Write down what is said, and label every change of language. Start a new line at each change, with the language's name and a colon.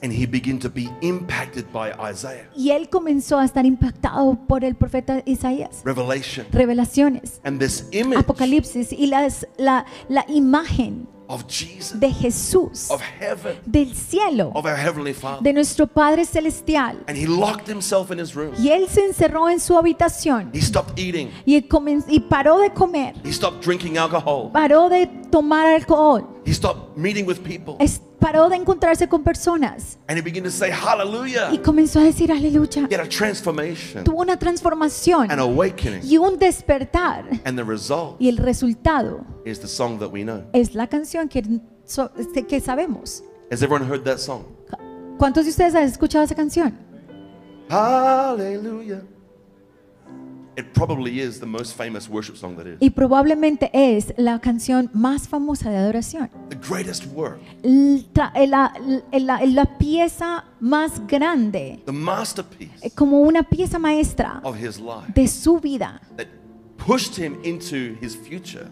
English: And he began to be impacted by Isaiah.
Spanish: Y él comenzó a estar impactado por el profeta Isaías.
English: Revelation.
Spanish: Revelaciones.
English: And this image.
Spanish: Apocalipsis y la imagen.
English: Of Jesus,
Spanish: de Jesús,
English: of heaven,
Spanish: del cielo,
English: of our heavenly Father,
Spanish: de nuestro Padre celestial,
English: and he locked himself in his room.
Spanish: Y él se encerró en su habitación.
English: He stopped eating.
Spanish: Y paró de comer.
English: He stopped drinking alcohol.
Spanish: Paró de tomar alcohol.
English: He stopped meeting with people.
Spanish: Paró de encontrarse con personas.
English: And he began to say hallelujah.
Spanish: Y comenzó a decir aleluya.
English: He had a transformation.
Spanish: Tuvo una transformación.
English: An awakening.
Spanish: Y un despertar.
English: And the result.
Spanish: Y el resultado.
English: Is the song that we know.
Spanish: Es la canción que sabemos.
English: Has everyone heard that song?
Spanish: ¿Cuántos de ustedes han escuchado esa canción?
English: Hallelujah. It probably is the most famous worship song that is.
Spanish: Y probablemente es la canción más famosa de adoración.
English: The greatest work.
Spanish: La pieza más grande.
English: The masterpiece.
Spanish: Como una pieza maestra.
English: Of his life.
Spanish: De su vida.
English: That pushed him into his future.